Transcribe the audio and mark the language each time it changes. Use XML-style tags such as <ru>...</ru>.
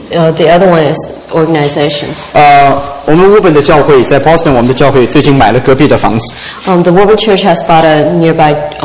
<en>The other one is organization.</en> <zh>我们 Woburn 的教会在 Boston， 我们的教会最近买了隔壁的房子。</zh> <en>The Woburn Church has bought a nearby</en>